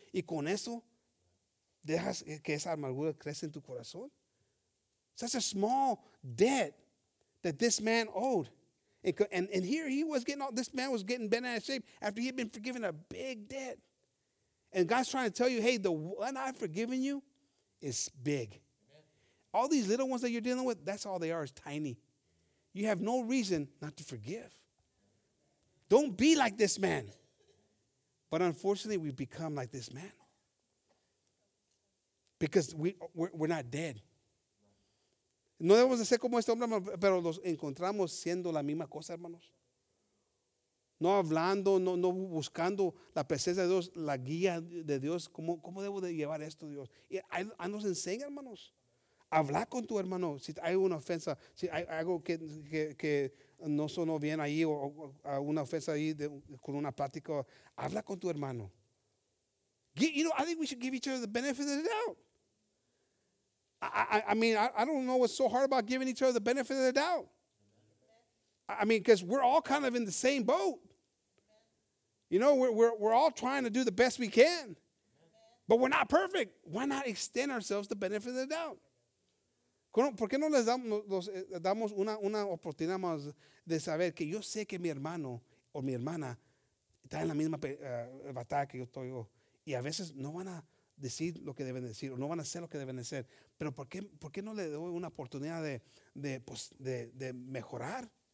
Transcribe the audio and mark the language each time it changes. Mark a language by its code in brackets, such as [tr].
[es] Y con eso, dejas que esa amargura crece en tu corazón. [en] Such a small debt that this man owed. And here he was getting all, this man was getting bent out of shape after he had been forgiven a big debt. And God's trying to tell you, hey, the one I've forgiven you is big. All these little ones that you're dealing with, that's all they are, is tiny. You have no reason not to forgive. Don't be like this man. But unfortunately, we become like this man. Because we're not dead. [es] No debemos de ser como este hombre, pero los encontramos siendo la misma cosa, hermanos. No hablando, no buscando la presencia de Dios, la guía de Dios. ¿Cómo debo de llevar esto, Dios? Y ahí nos enseña, hermanos. Habla con tu hermano si hay una ofensa, si hay algo que no sonó bien ahí o una ofensa ahí con una plática. Habla con tu hermano. [en] I think we should give each other the benefit of the doubt. I don't know what's so hard about giving each other the benefit of the doubt. I mean, because we're all kind of in the same boat. You know, we're all trying to do the best we can. But we're not perfect. Why not extend ourselves the benefit of the doubt? [es] ¿Por qué no les damos una oportunidad más de saber que yo sé que mi hermano o mi hermana está en la misma batalla que yo estoy? Y a veces no van a decir lo que deben decir o no van a hacer lo que deben hacer. Pero ¿por qué no le doy una oportunidad de mejorar?